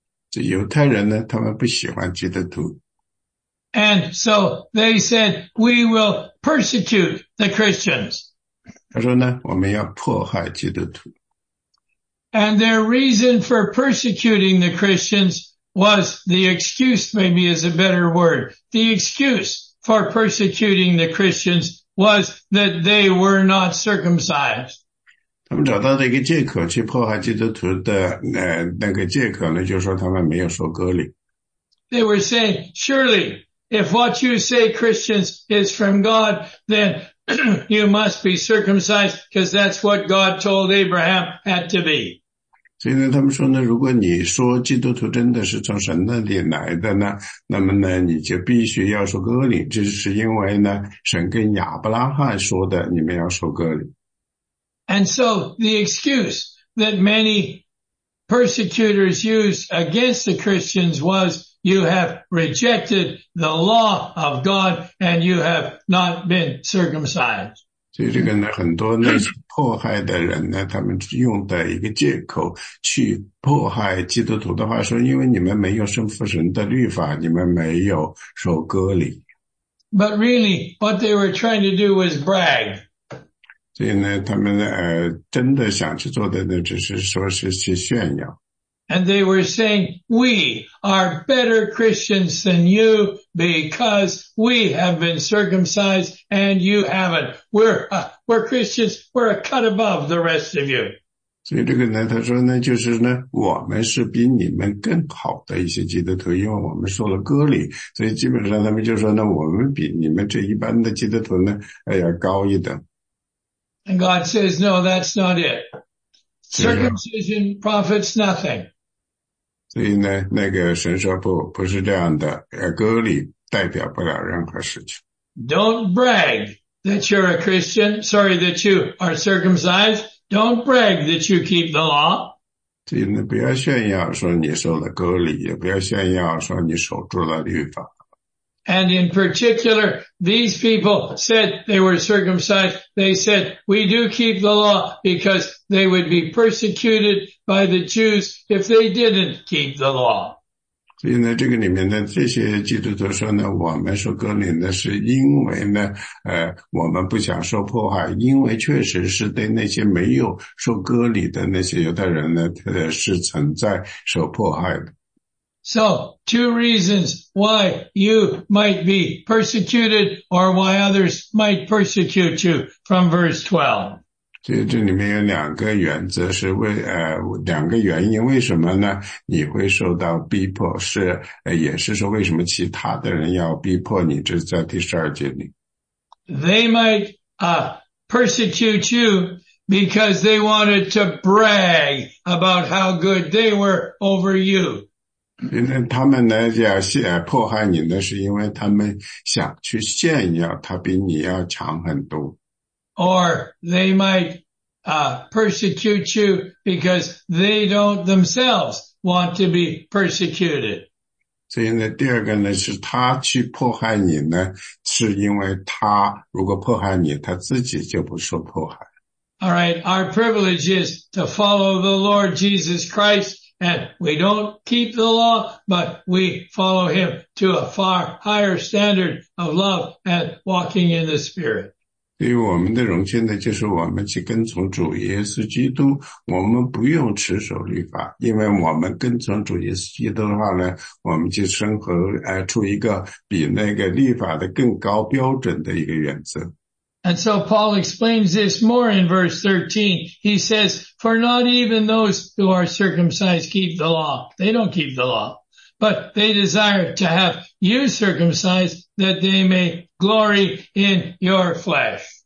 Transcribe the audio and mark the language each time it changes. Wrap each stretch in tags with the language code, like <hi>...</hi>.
<zh>这犹太人呢，他们不喜欢基督徒。</zh> <en>And so they said, we will persecute the Christians.</en> <zh>他说呢，我们要迫害基督徒。</zh> <en>And their reason for persecuting the Christians was the excuse, maybe is a better word. The excuse for persecuting the Christians was that they were not circumcised.</en> <zh>他们找到的一个借口去迫害基督徒的那个借口呢，就是说他们没有受割礼。</zh> <en>They were saying, surely, If what you say, Christians, is from God, then you must be circumcised because that's what God told Abraham had to be.</en> <zh>所以呢，他们说呢，如果你说基督徒真的是从神那里来的呢，那么呢，你就必须要受割礼，这是因为呢，神跟亚伯拉罕说的，你们要受割礼。</zh> <en>And so the excuse that many persecutors used against the Christians was, you have rejected the law of God and you have not been circumcised.</en> <zh>所以这个呢，很多那些迫害的人呢，他们用的一个借口去迫害基督徒的话，说因为你们没有顺服神的律法，你们没有受割礼。</zh> <en>But really, what they were trying to do was brag.</en> <zh>所以呢，他们真的想去做的呢，只是说是去炫耀。</zh> <en>And they were saying, we are better Christians than you because we have been circumcised and you haven't. We're Christians, we're a cut above the rest of you.</en> <zh>所以这个呢，他说呢，就是呢，我们是比你们更好的一些基督徒，因为我们受了割礼，所以基本上他们就说呢，我们比你们这一般的基督徒呢，要高一等。</zh> <en>And God says, no, that's not it. Circumcision profits nothing.</en> <zh>所以呢，那个神说不是这样的，割礼代表不了任何事情。</zh> <en>Don't brag that you're a Christian, sorry, that you are circumcised. Don't brag that you keep the law.</en> <zh>所以呢，不要炫耀说你受了割礼，也不要炫耀说你守住了律法。</zh> <en>And in particular, these people said they were circumcised. They said, we do keep the law because they would be persecuted by the Jews if they didn't keep the law.</en> <zh>所以呢，这个里面呢，这些基督徒说呢，我们受割礼呢，是因为呢，我们不想受迫害，因为确实是对那些没有受割礼的那些犹太人呢，他们是存在受迫害的。</zh> <en>So, two reasons why you might be persecuted or why others might persecute you from verse 12.</en> <zh>所以这里面有两个原则是为两个原因为什么呢你会受到逼迫是也是说为什么其他的人要逼迫你这是在第十二节里。</zh> <en>They might, persecute you because they wanted to brag about how good they were over you.</en> <zh>因为他们呢要迫害你呢是因为他们想去炫耀他比你要强很多。</zh> <en>Or they might, persecute you because they don't themselves want to be persecuted.</en> <zh>所以呢第二个呢是他去迫害你呢是因为他如果迫害你他自己就不受迫害。</zh> <en>Alright, our privilege is to follow the Lord Jesus Christ. And we don't keep the law, but we follow him to a far higher standard of love and walking in the Spirit.</en> <zh>所以我们的荣幸呢，就是我们去跟从主耶稣基督，我们不用持守律法，因为我们跟从主耶稣基督的话呢，我们就生活出一个比那个律法的更高标准的一个原则。</zh> <en>And so Paul explains this more in verse 13. He says, for not even those who are circumcised keep the law. They don't keep the law, but they desire to have you circumcised that they may glory in your flesh.</en>